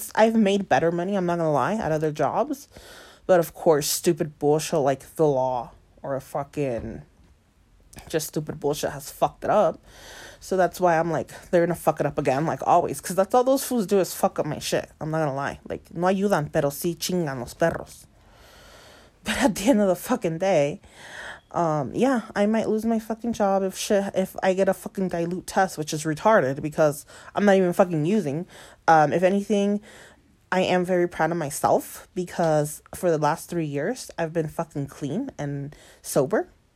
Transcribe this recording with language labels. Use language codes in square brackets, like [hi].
[en] I've made better money, I'm not gonna lie, at other jobs, but of course, stupid bullshit, like, the law, or a fucking, just stupid bullshit has fucked it up. So that's why I'm like, they're gonna fuck it up again, like always. Because that's all those fools do is fuck up my shit. I'm not gonna lie. Like, [es] no ayudan, pero sí chingan los perros. [en] But at the end of the fucking day, yeah, I might lose my fucking job if I get a fucking dilute test, which is retarded because I'm not even fucking using. If anything, I am very proud of myself because for the last 3 years, I've been fucking clean and sober.